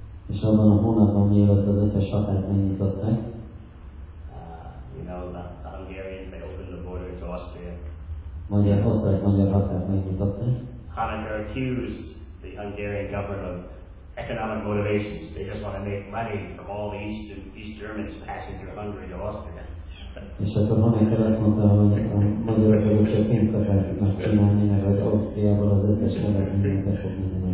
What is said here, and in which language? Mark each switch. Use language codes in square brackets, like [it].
[hu] És abban a hónapban, mielőtt az összes határt megnyitották, [en] you know, the Hungarians, they opened the border to Austria. [hu] Magyar határt megnyitották. [en] Honecker accused the Hungarian government of economic motivations. They just want to make money from all the East Germans passing through Hungary to Austria. [hu] És akkor Honecker azt mondta, hogy a magyarok csak pénzt akarnak csinálni, mert Ausztriából az összes nevet mindent fog mondani.